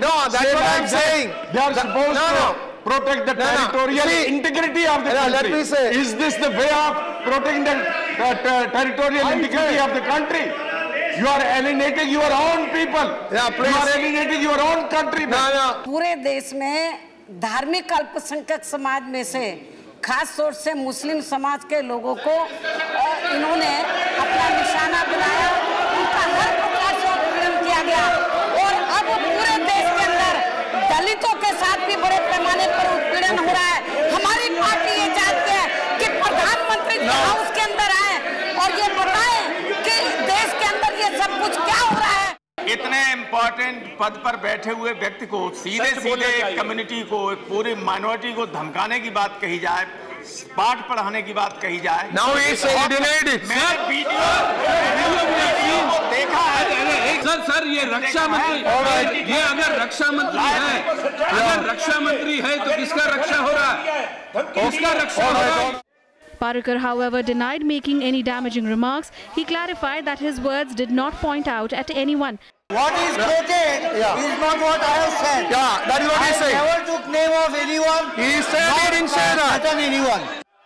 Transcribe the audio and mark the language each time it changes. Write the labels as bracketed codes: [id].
[en] No, that's what I'm saying. They are supposed to protect the territorial integrity of the country. Let me say. Is this the way of protecting the territorial integrity of the country? You are alienating your own people. Yeah, please. You are alienating your own country. No. [hi] Pure desh mein धार्मिक अल्पसंख्यक समाज में से खास तौर से मुस्लिम समाज के लोगों को इन्होंने अपना निशाना बनाया, उनका हर प्रकार से उत्पीड़न किया गया और अब पूरे देश के अंदर दलितों के साथ भी बड़े पैमाने पर उत्पीड़न हो रहा है। हमारी पार्टी ये चाहती है कि प्रधानमंत्री जी हाउस के अंदर आए और ये बताएं कि देश के अंदर ये सब कुछ क्या हो रहा है। इतने इम्पोर्टेंट पद पर बैठे हुए व्यक्ति को सीधे सीधे कम्युनिटी को पूरी माइनॉरिटी को धमकाने की बात कही जाए, पाठ पढ़ाने की बात कही जाए। [en] Now he is denied. [hi] मैंने वीडियो देखा है सर, ये रक्षा मंत्री है। ये अगर रक्षा मंत्री है, अगर रक्षा मंत्री है तो किसका रक्षा हो रहा है? उसका रक्षा हो रहा है। [en] Parrikar, however, denied making any damaging remarks. He clarified that his words did not point out at anyone. What is quoted is not what I have said. Yeah, that is what he said. I never took name of anyone. He said he didn't say that.